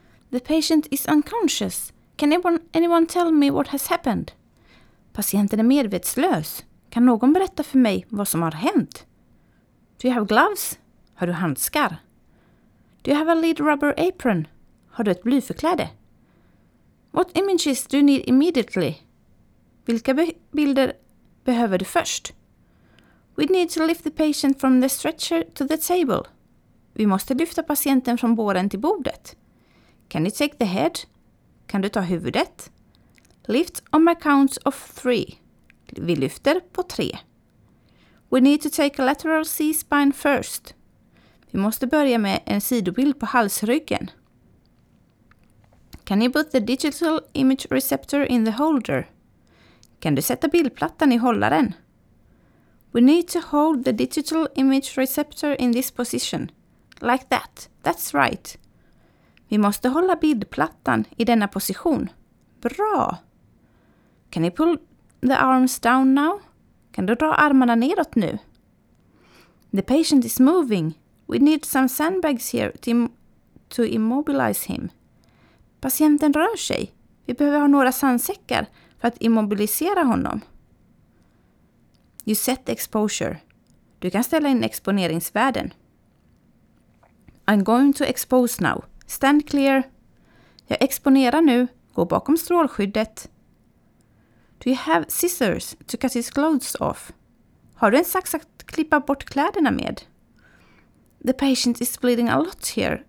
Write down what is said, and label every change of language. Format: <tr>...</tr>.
<en>The patient is unconscious. Can anyone tell me what has happened?</en> <sv>Patienten är medvetslös. Kan någon berätta för mig vad som har hänt?</sv> <en>Do you have gloves?</en> <sv>Har du handskar?</sv> <en>Do you have a lead rubber apron?</en> <sv>Har du ett blyförkläde?</sv> <en>What images do you need immediately?</en> <sv>Vilka bilder behöver du först?</sv> <en>We need to lift the patient from the stretcher to the table.</en> <sv>Vi måste lyfta patienten från båren till bordet.</sv> <en>Can you take the head?</en> <sv>Kan du ta huvudet?</sv> <en>Lift on my count of three.</en> <sv>Vi lyfter på tre.</sv> <en>We need to take a lateral C-spine first.</en> <sv>Vi måste börja med en sidobild på halsryggen.</sv> <en>Can you put the digital image receptor in the holder?</en> <sv>Kan du sätta bildplattan i hållaren?</sv> <en>We need to hold the digital image receptor in this position. Like that. That's right.</en> <sv>Vi måste hålla bildplattan i denna position. Bra!</sv> <en>Can you pull the arms down now?</en> <sv>Kan du dra armarna nedåt nu?</sv> <en>The patient is moving. We need some sandbags here to immobilize him.</en> <sv>Patienten rör sig. Vi behöver ha några sandsäckar för att immobilisera honom.</sv> <en>You set exposure.</en> <sv>Du kan ställa in exponeringsvärden.</sv> <en>I'm going to expose now. Stand clear.</en> <sv>Jag exponerar nu. Gå bakom strålskyddet.</sv> <en>Do you have scissors to cut his clothes off?</en> <sv>Har du en sax att klippa bort kläderna med?</sv> <en>The patient is bleeding a lot here.</en>